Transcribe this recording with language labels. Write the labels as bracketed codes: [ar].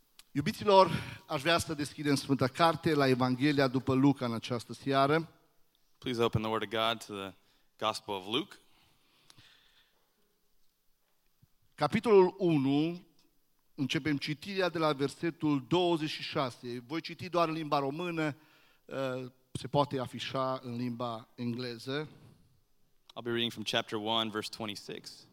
[ro] Iubiților, aș vrea să deschidem Sfânta Carte la Evanghelia după Luca în această seară. [en] Please open the Word of God to the Gospel of Luke. [ro] Capitolul 1, începem citirea de la versetul 26. Voi citi doar în limba română, se poate afișa în limba engleză. [en] I'll be reading from chapter 1, verse 26.